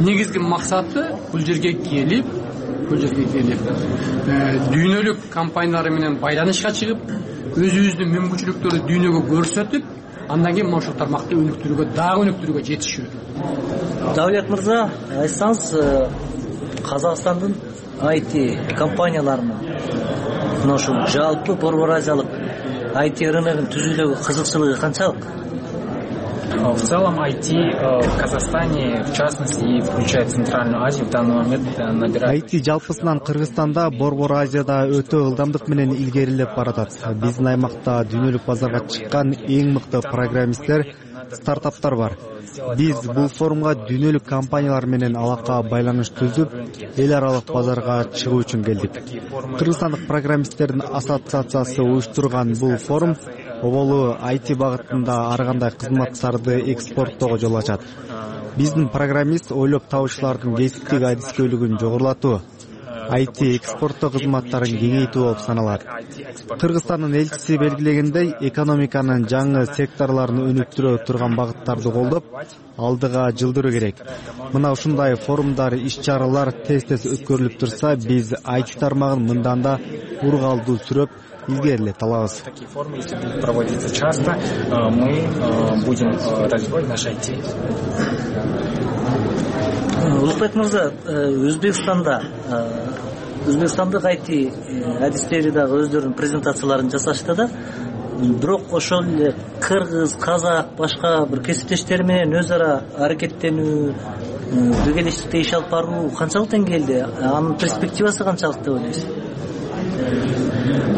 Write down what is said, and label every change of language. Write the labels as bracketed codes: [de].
[ky] Негизги максаты бул жерге келип дүйнөлүк компаниялар менен байланышка чыгып, өзүбүздүн мүмкүнчүлүктөрдү дүйнөгө көрсөтүп, андан кийин ушул тармакты өнүктүрүүгө жетишүү. Давлет мырза, айтсаңыз, Казакстандын IT компанияларына мына ушул жалпы борбор азиялык IT рыногун түзүүдөгү кызыкчылыгы канчалык? [ru] В целом IT в Казахстане, в частности, и включая Центральную Азию, в данный момент набирает... [ky] IT жалпысынан Кыргызстанда, Борбор Азияда өтө ылдамдык менен илгерилеп баратат. Биздин аймакта дүйнөлүк базарга чыккан эң мыкты программисттер, стартаптар бар. Биз бул форумга дүйнөлүк компаниялар менен алака байланыш түзүп, эл аралык базарга чыгуу үчүн келдик. Кыргызстандык программисттердин ассоциациясы уюштурган бул форум оболу IT багытында ар кандай кызматтарды экспорттоого жол ачат. Биздин программист ойлоп табуучулардын кесиптик адискөйлүгүн жогорулатуу, IT экспорттоо кызматтарын кеңейтүү болуп саналат. Кыргызстандын элчиси белгилегендей, экономиканын жаңы секторлорун өнүктүрө турган багыттарды колдоп, алдыга жылдыруу керек. Мына ушундай форумдар, иш чаралар тез-тез өткөрүлүп турса, биз IT тармагын мындан да ургалдуу сүрөп изгерилет алабыз. [ru] Такие форумы, если будут проводиться часто, мы будем развивать наш IT. [ky] Улукбек мырза, Өзбекстанда Өзбекстандык IT адистери дагы өздөрүнүн презентацияларын жасашты да, бирок ошол эле кыргыз, казак, башка бир кесиптештери менен өз ара аракеттенүү, биргеликте иш алып баруу канчалык деңгээлде, анын перспективасы канчалык деп ойлойсуз?